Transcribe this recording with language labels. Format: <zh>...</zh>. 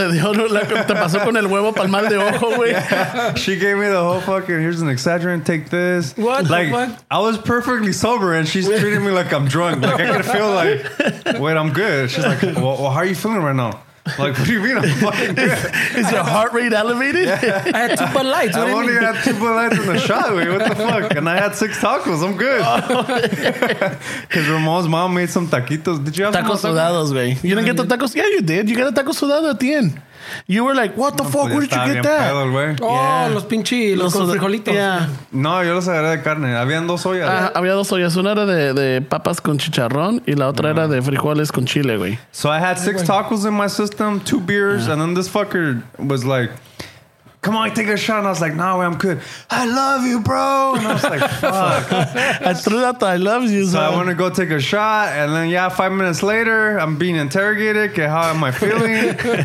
<es>Te pasó con el huevo pal mal de ojo, güey.</es> <en>She gave me the whole fucking, here's an Excedrin, take this. What? Like, I was perfectly sober and she's treating me like I'm drunk. Like, I could feel like, wait, I'm good. She's like, well, how are you feeling right now? Like, what do you mean? I'm fucking good. Is your heart rate elevated? Yeah. I had 2 Bud Lights. I only had 2 Bud Lights in the shot, wait. What the fuck? And I had 6 tacos. I'm good. Because Ramon's mom made some taquitos. Did you have tacos? Some sudados, man. You didn't get the tacos? Yeah, you did. You got a taco sudado at the end. You were like, what the fuck? Where did you get that?</en> <es>Pedo,</es> <en>oh, yeah.</en> <es>Los pinchi, los con frijolitos.</es> <en>Yeah.</en> <es>No, yo los agarré de carne. Habían 2 ollas. Había 2 ollas. Una era de papas con chicharrón y la otra era de frijoles con chile, güey.</es> <en>So I had 6 tacos in my system, 2 beers, and then this fucker was like, come on, take a shot. And I was like, no, I'm good. I love you, bro. And I was like, fuck. I threw out the I love you. So I want to go take a shot. And then, yeah, 5 minutes later, I'm being interrogated. Okay, how am I feeling?</en>